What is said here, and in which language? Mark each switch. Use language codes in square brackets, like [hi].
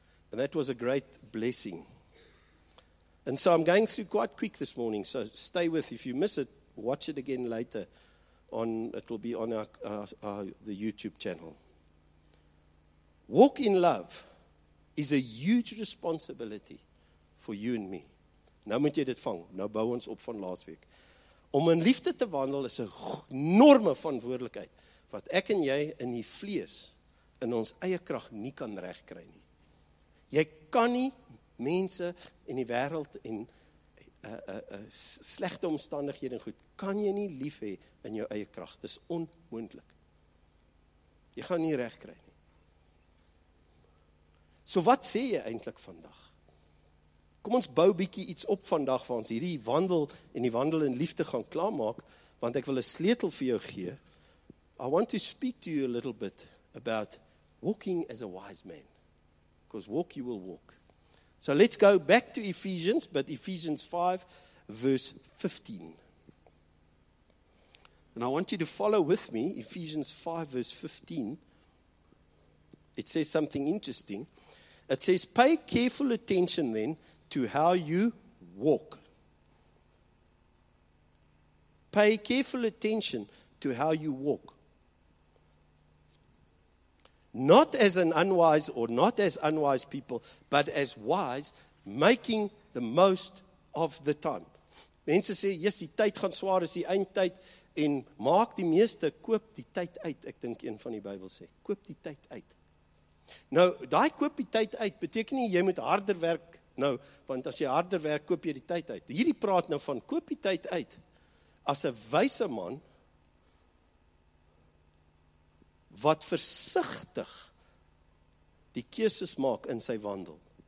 [en] And that was a great blessing. And so I'm going through quite quick this morning, so stay with. If you miss it, watch it again later. it will be on our the YouTube channel. Walk in love is a huge responsibility for you and me. [af] Nou moet jy dit vang. Nou bou ons op van laas week. Om in liefde te wandel is 'n enorme verantwoordelikheid wat ek en jy in die vlees in ons eie krag nie kan regkry nie. Jy kan nie mense en die wêreld en slegte omstandighede en goed kan jy nie lief hê in jou eie krag. Dis onmoontlik. Jy gaan nie regkry nie. So wat sê jy eintlik vandag? Kom ons bou bietjie iets op vandag waar ons hierdie wandel en die wandel in liefde gaan klaarmaak, want ek wil 'n sleutel vir jou gee. [en] I want to speak to you a little bit about walking as a wise man. Because walk you will walk. So let's go back to Ephesians, but Ephesians 5 verse 15. And I want you to follow with me, Ephesians 5 verse 15. It says something interesting. It says, pay careful attention then to how you walk. Pay careful attention to how you walk. Not as an unwise or not as unwise people, but as wise, making the most of the time. [af] Mense sê, yes, die tyd gaan swaar, is die eindtyd, en maak die meeste, koop die tyd uit, ek dink een van die Bybel sê, koop die tyd uit. Nou, daai koop die tyd uit, beteken nie, jy moet harder werk, nou, want as jy harder werk, koop jy die tyd uit. Hierdie praat nou van, koop die tyd uit, as 'n wyse man, wat versigtig die keuses maak in sy wandel.